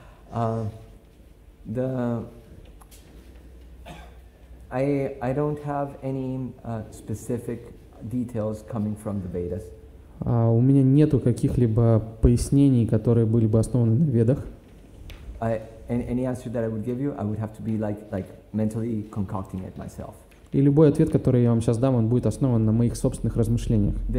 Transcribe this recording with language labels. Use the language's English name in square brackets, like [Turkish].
[English] I don't have any specific details coming from the Vedas. [Russian] У меня нету каких-либо пояснений, которые были бы основаны на Ведах. [English] Any answer that I would give you, I would have to be like mentally concocting it myself. [Russian] И любой ответ, который я вам сейчас дам, он будет основан на моих собственных размышлениях.